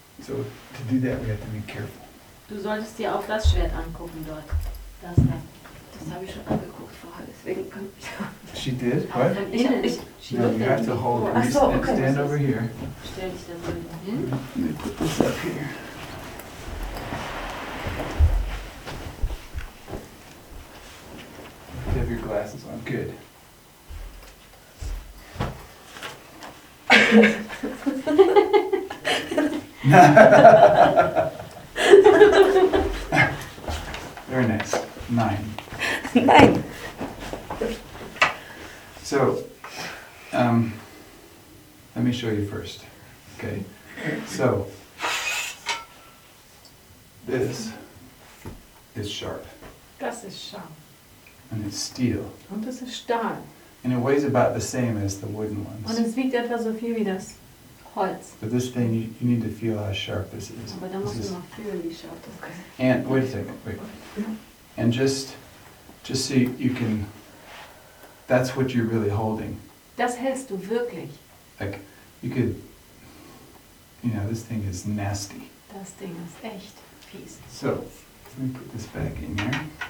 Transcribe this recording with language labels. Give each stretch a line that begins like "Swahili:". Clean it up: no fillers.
English: So to do that we have to be careful.
German: Du solltest dir auch das Schwert angucken dort. Das da. Das habe ich schon angeguckt vorher, deswegen kann ich.
English: She did? What? You have to hold it. So, okay. Stand over here.
German: Stell dich da mal hin.
English: Put this up here. have your glasses on. Good. Very nice. Nine. So, let me show you first. Okay. So, this is sharp.
German: Das ist scharf.
English: And it's steel.
German: Und das ist Stahl.
English: And it weighs about the same as the wooden ones.
German: Und es wiegt etwa so viel wie das Holz.
English: But this thing, you need to feel how sharp this is.
German: Aber da musst du mal fühlen, wie sharp das ist.
English: And wait a second, wait. And just so you can, that's what you're really holding.
German: Das hältst du wirklich.
English: Like, you could, you know, this thing is nasty.
German: Das Ding ist echt fies.
English: So, let me put this back in here.